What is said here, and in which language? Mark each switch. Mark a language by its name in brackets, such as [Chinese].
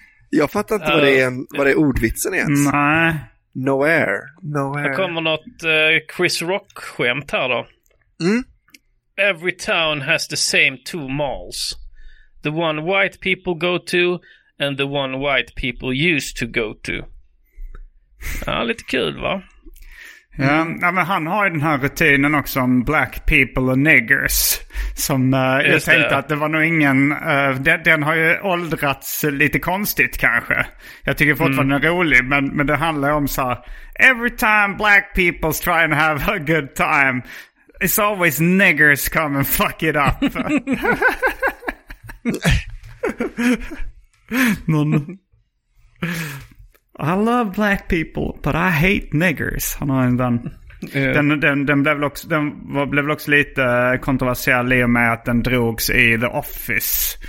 [Swedish] Jag fattar inte vad det är ordvitsen är. Nej. [English] No air. No air. [Swedish] Här kommer något Chris Rock-skämt här då. Mm? [English] Every town has the same two malls. The one white people go to and the one white people used to go to. [Swedish] Ja, lite kul va? Mm. Ja, men han har ju den här rutinen också om [English] black people and niggers. [Swedish] Som jag tänkte det. Att det var nog ingen... den har ju åldrats lite konstigt kanske. Jag tycker fortfarande den är rolig, men det handlar om så här... [English] Every time black people try and have a good time, it's always niggers come and fuck it up. I love black people, but I hate niggers. [Swedish] Han har en den blev också lite kontroversiell i och med att den drogs i The Office.